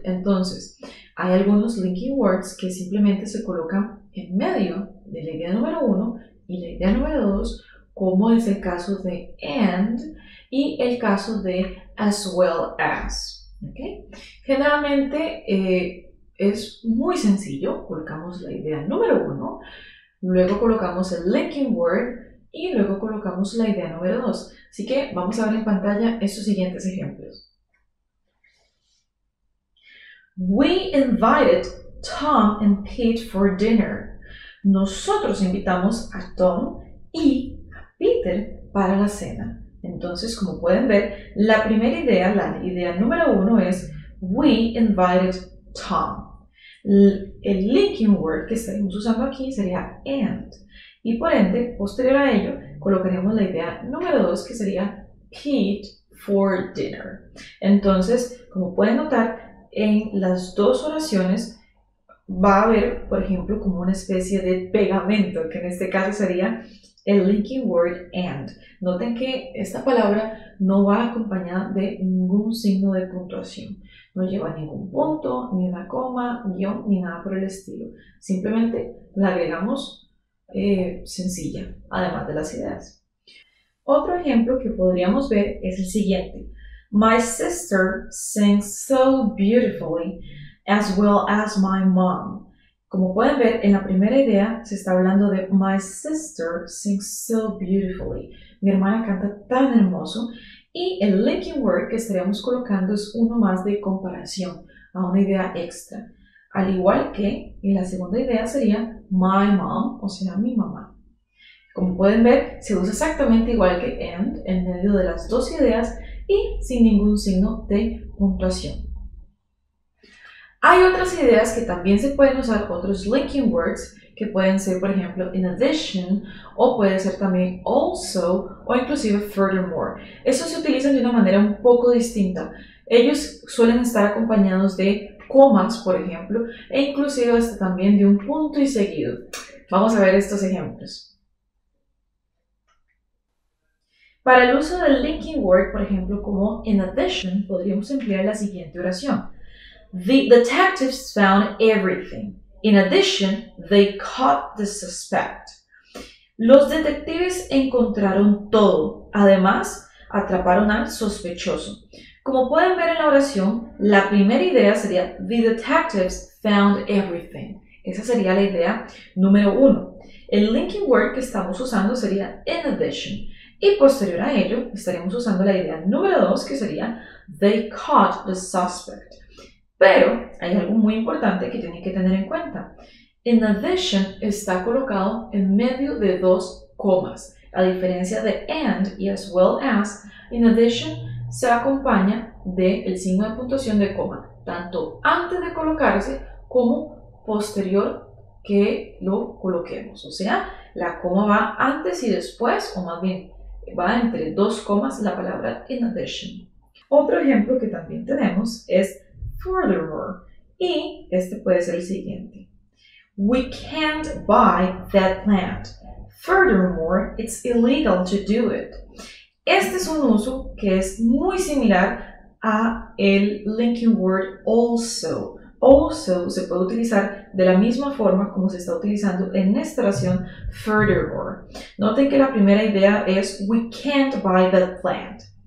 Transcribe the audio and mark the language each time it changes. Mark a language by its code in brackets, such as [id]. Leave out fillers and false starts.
[es] Entonces, hay algunos linking words que simplemente se colocan en medio de la idea número uno y la idea número dos, como es el caso de and y el caso de as well as, ¿ok? Generalmente, es muy sencillo, colocamos la idea número uno, luego colocamos el linking word y luego colocamos la idea número 2. Así que vamos a ver en pantalla estos siguientes ejemplos. [en] We invited Tom and Pete for dinner. [es] Nosotros invitamos a Tom y a Peter para la cena. Entonces, como pueden ver, la primera idea, la idea número 1 es [en] We invited Tom. [es] El linking word que estaremos usando aquí sería and. Y por ende, posterior a ello, colocaríamos la idea número 2 que sería [en] Pete for dinner. [es] Entonces, como pueden notar, en las dos oraciones va a haber, por ejemplo, como una especie de pegamento, que en este caso sería el linking word and. Noten que esta palabra no va acompañada de ningún signo de puntuación. No lleva ningún punto, ni una coma, guión, ni nada por el estilo. Simplemente la agregamos sencilla, además de las ideas. Otro ejemplo que podríamos ver es el siguiente. [en] My sister sings so beautifully as well as my mom. [es] Como pueden ver, en la primera idea se está hablando de [en] My sister sings so beautifully. [es] Mi hermana canta tan hermoso. Y el linking word que estaríamos colocando es uno más de comparación a una idea extra. Al igual que en la segunda idea sería [en] my mom, [es] o sea, mi mamá. Como pueden ver, se usa exactamente igual que and en medio de las dos ideas y sin ningún signo de puntuación. Hay otras ideas que también se pueden usar, otros linking words, que pueden ser, por ejemplo, in addition, o puede ser también also, o inclusive furthermore. Estos se utilizan de una manera un poco distinta. Ellos suelen estar acompañados de comas, por ejemplo, e inclusive hasta también de un punto y seguido. Vamos a ver estos ejemplos. Para el uso del linking word, por ejemplo, como in addition, podríamos emplear la siguiente oración. [en] The detectives found everything. In addition, they caught the suspect. [es] Los detectives encontraron todo. Además, atraparon al sospechoso. Como pueden ver en la oración, la primera idea sería [en] The detectives found everything. [es] Esa sería la idea número uno. El linking word que estamos usando sería in addition. Y posterior a ello, estaremos usando la idea número dos, que sería [en] they caught the suspect. [es] Pero hay algo muy importante que tienen que tener en cuenta. In addition está colocado en medio de dos comas. A diferencia de and y as well as, in addition se acompaña del signo de puntuación de coma, tanto antes de colocarse como posterior que lo coloquemos. O sea, la coma va antes y después, o más bien va entre dos comas la palabra in addition. Otro ejemplo que también tenemos es furthermore, y este puede ser el siguiente. [en] We can't buy that land. Furthermore, it's illegal to do it. [es] Este es un uso que es muy similar a el linking word also. Also se puede utilizar de la misma forma como se está utilizando en esta oración furthermore. Noten que la primera idea es [en] we can't buy that plant.